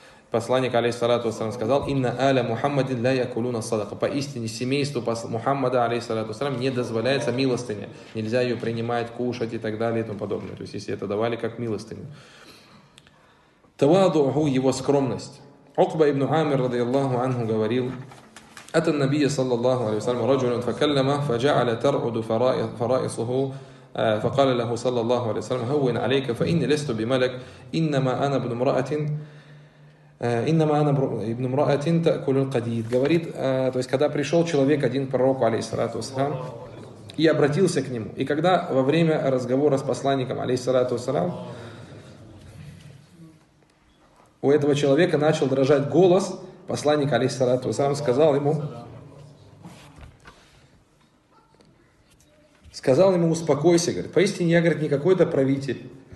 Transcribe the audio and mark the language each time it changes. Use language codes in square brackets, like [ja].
[ru] Посланник, алейхиссалату вассалям, сказал, инна аля Мухаммадин ля якулюна садака. Поистине, семейству Мухаммада, алейхиссалату вассалям, не дозволяется милостыня. Нельзя ее принимать, кушать и так далее и тому подобное. То есть если это давали как милостыню. Тавадуху, его скромность. [ar] Укба ибн Амир, радиаллаху анху, говорил, أتى النبي صلى الله عليه وسلم رجل فكلمه فجعل ترعد فرائصه فقال له صلى الله عليه وسلم هون عليك فإني لست بملك إنما أنا ابن امرأة تأكل القديد. [ru] Говорит, то есть когда пришел человек один к пророку алейхиссалату вассалям и обратился к нему, и когда во время разговора с посланником алейхиссалату вассалям у этого человека начал дрожать голос, посланник, алейхиссалату вассалям, сказал ему, успокойся, говорит, поистине я, говорит, не какой-то правитель.